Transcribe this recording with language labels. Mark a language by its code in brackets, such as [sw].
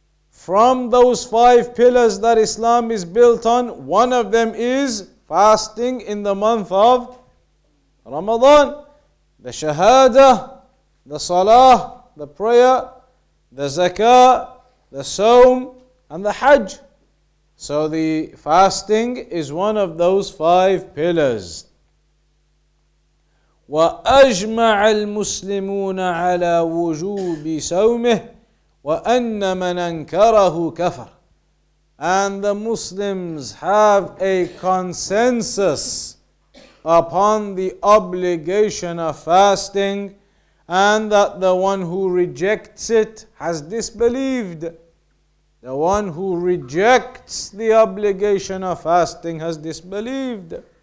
[en] From those 5 pillars that Islam is built on, one of them is fasting in the month of Ramadan. The shahada, the salah, the prayer, the zakah, the sawm, and the hajj. So the fasting is one of those 5 pillars. [ar] وأجمع المسلمون على وجوب سومه وأن من أنكره كفر. [en] And the Muslims have a consensus upon the obligation of fasting, and that the one who rejects it has disbelieved. The one who rejects the obligation of fasting has disbelieved.